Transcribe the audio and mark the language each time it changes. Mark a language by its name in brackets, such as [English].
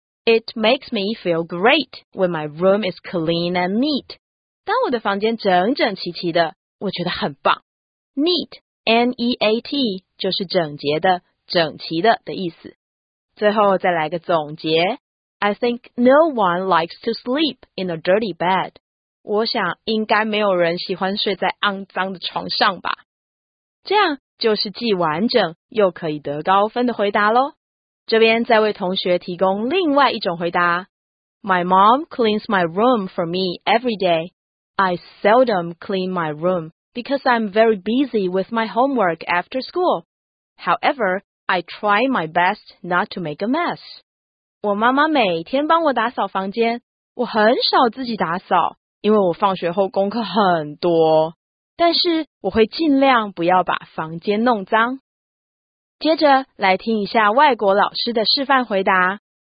[English] It makes me feel great when my room is clean and neat. [Chinese] 当我的房间整整齐齐的，我觉得很棒。 Neat, N-E-A-T, 就是整洁的、整齐的的意思。最后再来个总结。 [English] I think no one likes to sleep in a dirty bed. [Chinese] 我想应该没有人喜欢睡在肮脏的床上吧。这样就是既完整又可以得高分的回答咯。这边再为同学提供另外一种回答。 [English] My mom cleans my room for me every day. I seldom clean my room because I'm very busy with my homework after school. However, I try my best not to make a mess. [Chinese] 我妈妈每天帮我打扫房间，我很少自己打扫，因为我放学后功课很多。但是我会尽量不要把房间弄脏。接着来听一下外国老师的示范回答。